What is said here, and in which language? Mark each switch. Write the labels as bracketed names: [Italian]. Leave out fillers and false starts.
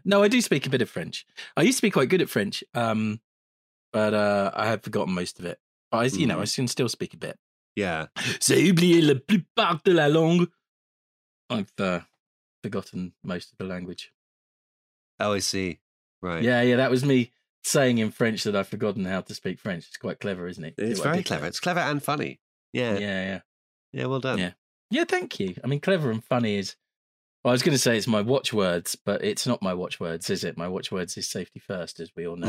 [English] No, I do speak a bit of French. I used to be quite good at French, but I have forgotten most of it. But I can still speak a bit. Yeah. [French] J'ai oublié la plupart de la langue. [English] I've forgotten most of the language. Oh, I see. Right. Yeah, yeah. That was me saying in French that I've forgotten how to speak French. It's quite clever, isn't it? It's very clever. It's clever and funny. Yeah. Yeah, yeah. Yeah, well done. Yeah. Yeah, thank you. I mean, clever and funny is... Well, I was going to say it's my watchwords, but it's not my watchwords, is it? My watchwords is safety first, as we all know.